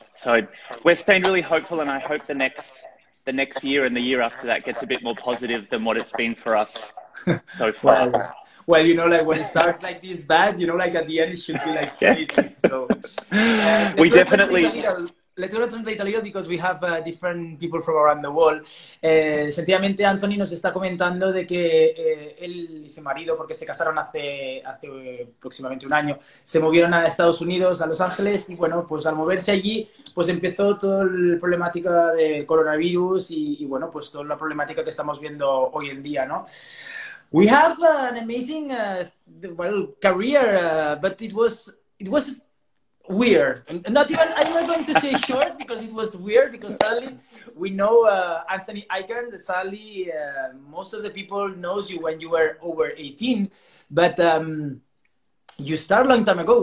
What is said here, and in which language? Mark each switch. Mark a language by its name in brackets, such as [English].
[English] So we're staying really hopeful, and I hope the next year and the year after that gets a bit more positive than what it's been for us so far. Well, you know, like when it starts like this bad, you know, like at the end it should be like crazy. So we definitely let's go to translate a little because we have different people from around the world. [Spanish] Sencillamente, Anthony nos está comentando de que él y su marido, porque se casaron hace aproximadamente un año, se movieron a Estados Unidos, a Los Ángeles, y bueno, pues al moverse allí, pues empezó toda la problemática del coronavirus y bueno, pues toda la problemática que estamos viendo hoy en día, ¿no? [English] We have an amazing career, but it was weird. I'm not going to say short because it was weird because sadly we know Anthony Aiken. Sadly, most of the people knows you when you were over 18, but you start a long time ago.